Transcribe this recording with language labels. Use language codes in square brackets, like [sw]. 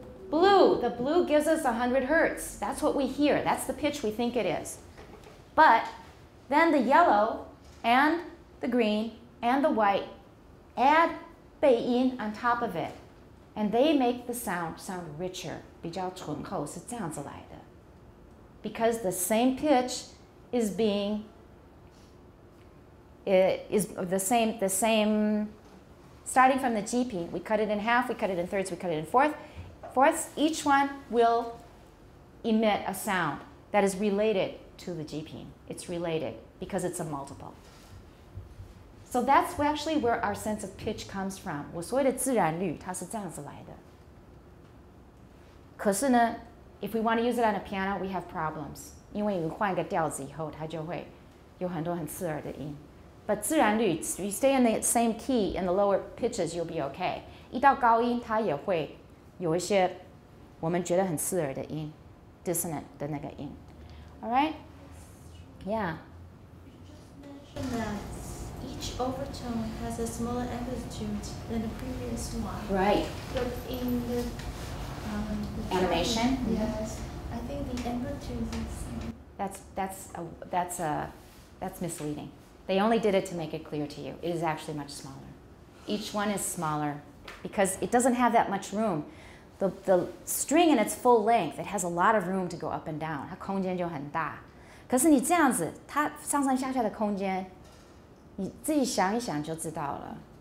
[en] Blue. The blue gives us 100 hertz. That's what we hear. That's the pitch we think it is. But then the yellow and the green and the white add 背音 on top of it. And they make the sound sound richer. [zh] 比较醇厚是这样子来的。 [en] Because the same pitch is being, the same, starting from the GP, we cut it in half, we cut it in thirds, we cut it in fourths, each one will emit a sound that is related to the GP. It's related because it's a multiple. So that's actually where our sense of pitch comes from. [zh] 我所谓的自然律它是这样子来的。可是呢, [en] if we want to use it on a piano, we have problems. [zh] 因为你换一个调子以后它就会有很多很刺耳的音。 [en] But 自然律 you stay in the same key in the lower pitches, you'll be okay. [zh] 一到高音它也会有一些我们觉得很刺耳的音 dissonant 的那个音。 [en] Alright? Yeah. You just mentioned that each overtone has a smaller amplitude than the previous one. Right. But in the animation? Yes. I think the amplitude is... That's misleading. They only did it to make it clear to you. It is actually much smaller. Each one is smaller because it doesn't have that much room. The string in its full length, it has a lot of room to go up and down. [zh] 它空间就很大。可是你这样子，它上上下下的空间，你自己想一想就知道了。